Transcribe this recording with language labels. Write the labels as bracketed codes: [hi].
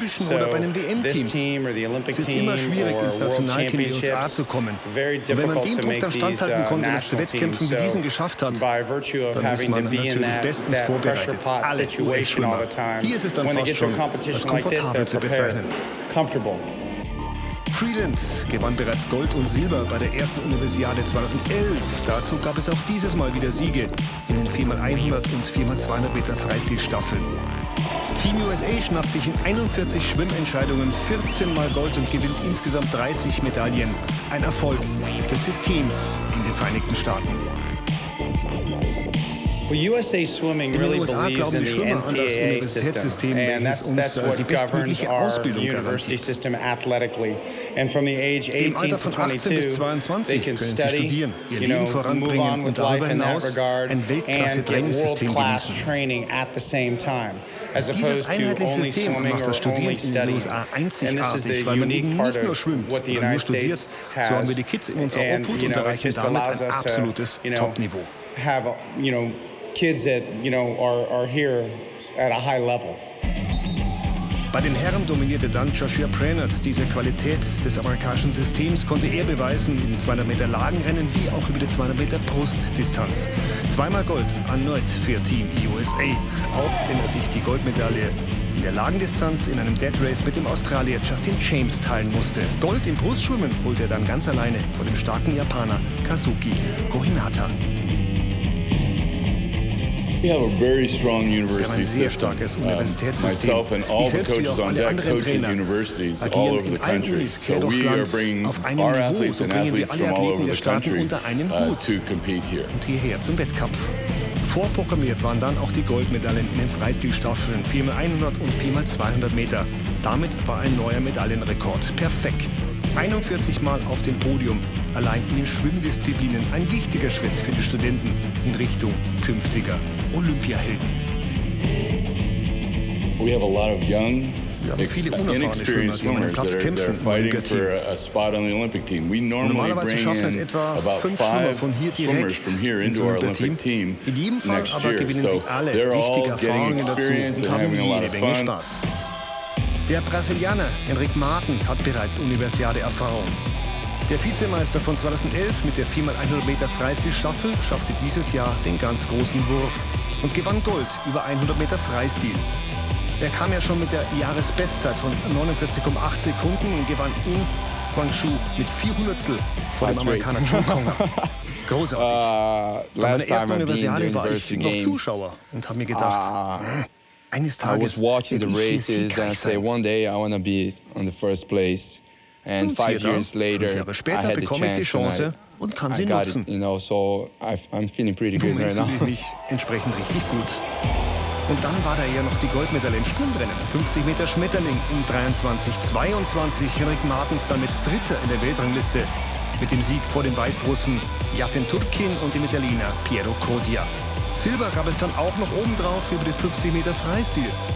[en] So this team or the Olympic team or world championships, very difficult to make these national teams. So by virtue of having to be in that pressure pot situation all the time, when they get to a competition like this, they're prepared, comfortable. [de] Freeland gewann bereits Gold und Silber bei der ersten Universiade 2011. Dazu gab es auch dieses Mal wieder Siege in den 4x100 und 4x200 Meter Freistilstaffeln. Team USA schnappt sich in 41 Schwimmentscheidungen 14 Mal Gold und gewinnt insgesamt 30 Medaillen. Ein Erfolg des Systems in den Vereinigten Staaten. [en] Well, USA Swimming really believes in the NCAA system, and that's what governs our university system athletically. And from the age 18 to 22, they can study, you know, move on with life in that regard, and get world-class training at the same time, as opposed to only swimming or only studying. And this is the unique part of what the United States has, and, you know, it just allows us to, you know, have, you know, kids that, you know, are here at a high level. [de] Bei den Herren dominierte dann Joshua Prenert. Diese Qualität des amerikanischen Systems konnte er beweisen im 200 Meter Lagenrennen wie auch über die 200 Meter Brustdistanz. Zweimal Gold erneut für Team USA, auch wenn er sich die Goldmedaille in der Lagendistanz in einem Dead Race mit dem Australier Justin James teilen musste. Gold im Brustschwimmen holte er dann ganz alleine vor dem starken Japaner Kazuki Kohinata. [en] We have a very strong university system. Myself and all the coaches on deck coach at universities all over the country. So we are bringing our athletes and athletes from all over the country to compete here. [de] Und hierher zum Wettkampf. Vorprogrammiert waren dann auch die Goldmedaillen in den Freistilstaffeln 4x100 und 4x200 Meter. Damit war ein neuer Medaillenrekord perfekt. 41 Mal auf dem Podium, allein in den Schwimmdisziplinen ein wichtiger Schritt für die Studenten in Richtung künftiger Olympiahelden. [en] We have a lot of young, inexperienced swimmers that are fighting for a spot on the Olympic team. We normally bring in about 5 swimmers from here into our Olympic team next year. So they're all getting experience and having a lot of fun. [de] Der Brasilianer Henrik Martens hat bereits Universiade-Erfahrung. Der Vizemeister von 2011 mit der 4x100 Meter Freistil-Staffel schaffte dieses Jahr den ganz großen Wurf und gewann Gold über 100 Meter Freistil. Er kam ja schon mit der Jahresbestzeit von 49,8 Sekunden und gewann in Guangzhou mit 4 Hundertstel vor dem Amerikaner John Conger. Großartig. Bei meiner ersten Universiade war ich noch Zuschauer und habe mir gedacht, eines Tages, [en] I was watching the races and I say, one day I want to be in the first place. And 5 years later, I had the chance and I got it, you know, so I'm feeling pretty good right now. [de] Entsprechend richtig gut. Und dann war da ja noch die Goldmedaille im Sprintrennen. 50 Meter Schmetterling in 23:22. Henrik Martens damit Dritter in der Weltrangliste. Mit dem Sieg vor den Weißrussen Jafin Turkin und dem Italiener Piero Codia. Silber gab es dann auch noch obendrauf über den 50 Meter Freistil.